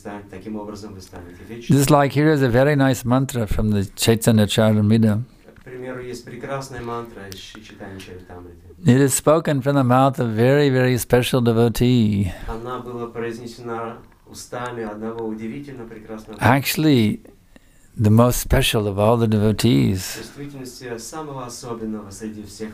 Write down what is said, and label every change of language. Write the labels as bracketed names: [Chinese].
[Russian] Таким образом вы станете вечным. [English] Just like here is a very nice mantra from the Chaitanya Charitamrita. [Russian] К примеру, есть прекрасная мантра из Chaitanya Charitamrita. [English] It is spoken from the mouth of a very, very special devotee. [Russian] Она была произнесена устами одного удивительно прекрасного. [English] Actually, the most special of all the devotees. [Russian] В действительности, самого особенного среди всех.